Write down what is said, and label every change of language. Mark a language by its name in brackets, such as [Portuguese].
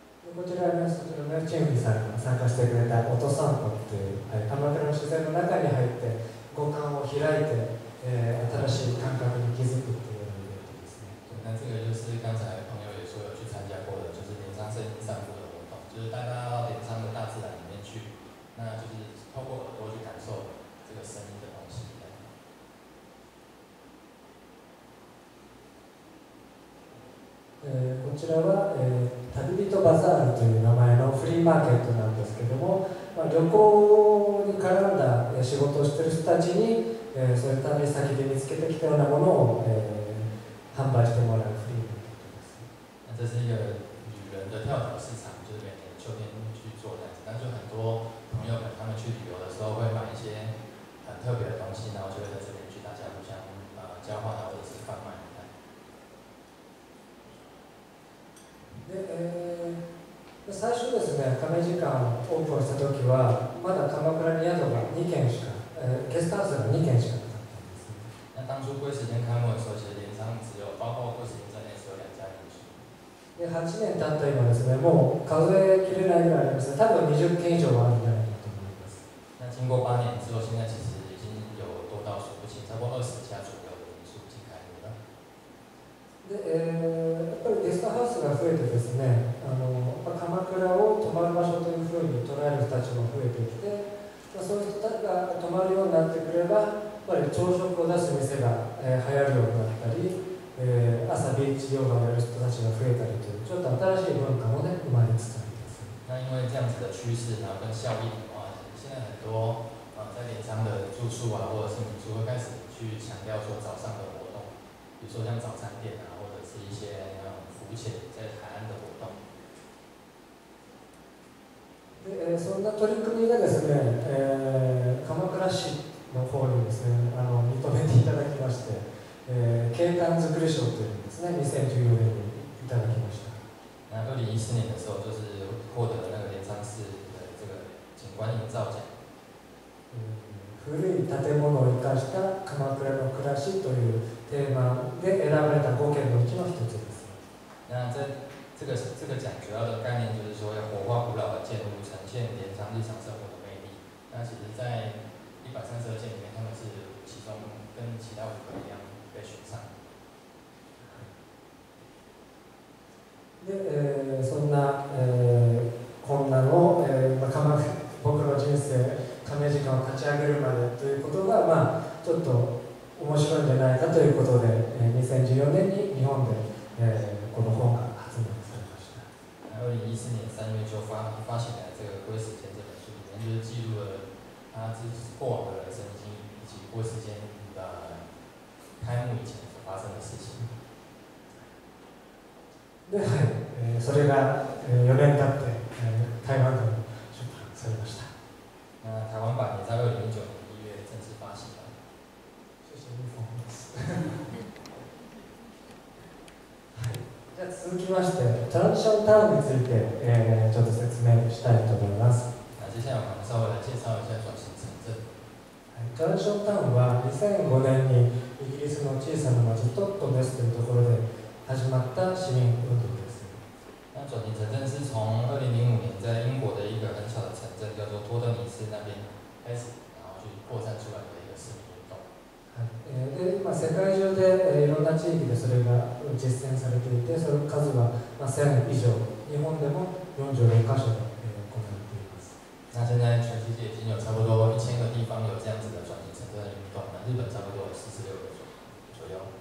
[Japanese] 私たちのチェンミさんが参加してくれた音散歩っていう、はい、鎌倉の自然の中に入って五感を開いて、新しい感覚に気づくっていうのがですね。 [Chinese] 那这个就是刚才朋友也说有去参加过的，就是镰仓森林散歩的活动，就是带他到镰仓的大自然里面去，那就是透过耳朵去感受这个声音的东西。 [Japanese] こちらは、旅人バザールという名前のフリーマーケットなんですけども、まあ、旅行に絡んだ仕事をしている人たちに、そういった旅先で見つけてきたようなものを、販売してもらうフリーマーケットです。 [Chinese] 这是一个旅人的跳蚤市场，就是每年秋天去做这样子，但是很多朋友们他们去旅游的时候会买一些很特别的东西，然后就会在这边去大家互相交换或者是贩卖。 [Japanese] で最初ですね、亀時間オープンしたときは、まだ鎌倉に宿が2軒しか、ゲストハウスが2軒しかなかったんです。 [Chinese] 那当初龟石店开幕的时候，其实镰仓只有，包括龟石店在内，只有两家旅宿。 [Japanese] で、8年経った今ですね、もう数え切れないぐらいありますね、多分20軒以上はあるんじゃないかと思います。 [Chinese] 那经过8年之后，现在其实已经有多到数不清，差不多20家左右的旅宿已经开幕了。 [Japanese] で、ゲストハウスが増えてですね、鎌倉を泊まる場所というふうに捉える人たちも増えてきて、まあ、そういう人たちが泊まるようになってくれば、やっぱり朝食を出す店が、流行るようになったり、朝ビーチヨガをやる人たちが増えたりという、ちょっと新しい文化も、ね、生まれつつあります。 [Chinese] 那因为这样子的趋势然后跟效益的话，现在很多在镰仓的住宿啊或者是民宿会开始去强调说早上的活动，比如说像早餐店啊或者是一些浮潜在海岸的活动。 [Japanese] で、そんな取り組みがですね、鎌倉市の方にですね、認めていただきまして、景観づくり賞というのですね、2014年にいただきました。 [Chinese] 那2014年的时候，就是获得了那个镰仓市的这个景观营造奖。 [Japanese] 古い建物を生かした鎌倉の暮らしというテーマで選ばれた5件のうちの一つです。 [Chinese] 那这个奖主要的概念就是说要活化古老的建筑，呈现镰仓日常生活的魅力。那其实，在132件里面，他们是其中跟其他5个一样被选上。 [Japanese] で、そんな、こんなの、僕の人生加盟時間を立ち上げるまでということが、まあ、ちょっと面白いんじゃないかということで、2014年に日本で、この本が発売されました。 [Chinese] 2014年3月就发行了这个龟石间这本书，里面就是记录了他自己过往的人生经历，以及龟石间的开幕以前所发生的事情。 [Japanese] で、それが4年経って台湾で出版されました。 [Chinese] 那台湾版也在2009年1月正式发行了。谢谢你捧的词。 [Japanese] 続きましてトランジションタウンについて、ちょっと説明したいと思います。 [Chinese] 接下来我们稍微来介绍一下转型城镇。 [Japanese] トランジションタウンは2005年にイギリスの小さな町トットネスというところで始まった市民運動です。 [Chinese] 那转型城镇是从2005年在英国的一个很小的城镇叫做托特尼斯那边开始，然后去扩散出来的一个市民。 [Japanese] で、まあ、世界中で、いろんな地域でそれが実践されていて、その数は、まあ、1000以上、日本でも46カ所で、行っています。 [Chinese] 那现在全世界已经有差不多1000个地方有这样子的转型城镇运动，日本差不多46个左右。